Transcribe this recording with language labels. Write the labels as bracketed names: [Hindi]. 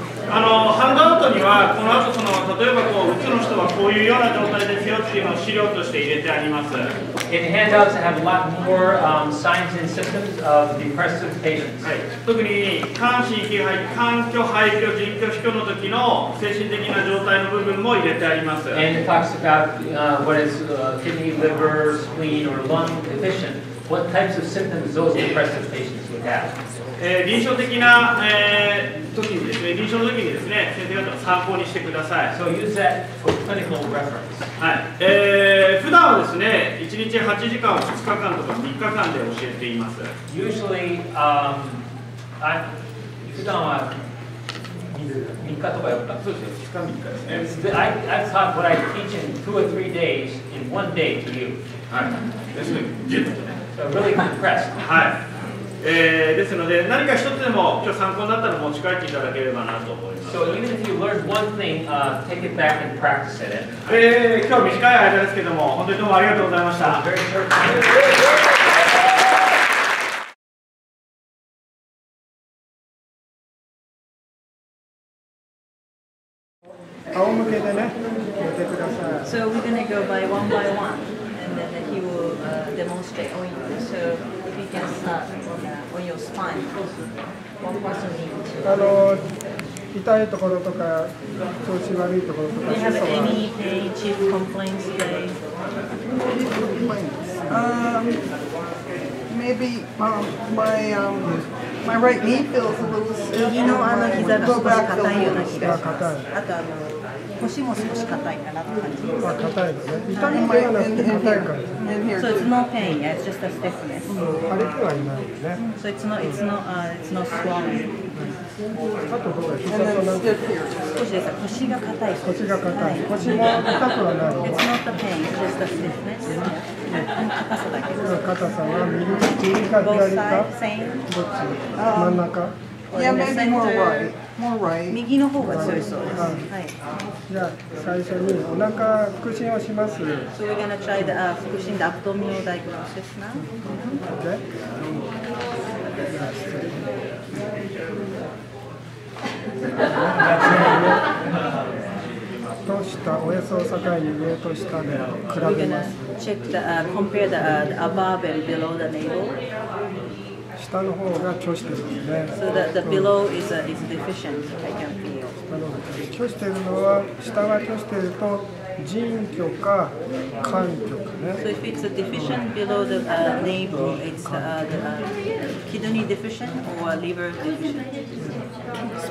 [Japanese] あのハンドアウトにはこの後その例えばこう打つの人はこういうような状態ですよっていうのを資料として入れてあります。 [English] In handouts I have a lot more signs and symptoms of depressive patients、 [Japanese] はい、特に肝心気肺肝虚肺虚腎虚肥虚の時の精神的な状態の部分も入れてあります。 [English] And it talks about what is kidney, liver, spleen or lung deficient. What types of symptoms those depressive patients would have? [Japanese] 臨床的な、時にですね、臨床の時にですね、先生方参考にしてください。 [English] So use that for clinical reference. [Japanese] はい。普段はですね、1日8時間を2日間とか3日間で教えています。 [English] Usually, I [Japanese] 普段は3日とか4日。そうですよ、2日3日ですね。 [English] I taught what I teach in 2 or 3 days in 1 day to you. [Japanese] はい。ですね、ジュッとね。 [English] So really compressed. [Japanese] はい。ですので何か一つでも今日参考になったら持ち帰っていただければなと思います。 [English] So even if you learn one thing, take it back and practice it. [Japanese] 今日短い間ですけども本当にどうもありがとうございました。仰向けでね、見てください。 [English] So we're gonna go by one by one and then he will demonstrate on you. So if you can start [Japanese] あの痛いところとか調子悪いところとか。 [English] Do you have any chief complaints today? Maybe my right knee feels a little stiff. You know, [Japanese] あの膝が少し硬いような気がします。硬い。あとあの腰も少し硬いかなって感じ。まあ硬いですね。痛みのようなって硬い感じ。 [English] So it's no pain, yeah, it's just a stiffness. So it's not swelling. And then it's stiff here. It's not the pain, it's just a stiffness. It's just a stiffness. Both sides, same? Both sides. or yeah, in the maybe center? More right. More right. [Japanese] 右の方が強いそうです。はい。じゃあ最初にお腹腹伸をします。 [English] So we're gonna try the 腹伸the abdominal diagnosis now. Okay. [Japanese] とおへそを境に上と下で比べます。 [English] We're gonna check the, compare the, above and below the navel. [Japanese] 下の方が拒してるんですね。 [English] So that the below is deficient, I can feel. [Japanese] 拒してるのは、下が拒してると、腎虚か肝虚かね。 [English] So if it's a deficient below the navel, it's the kidney deficient or liver deficient?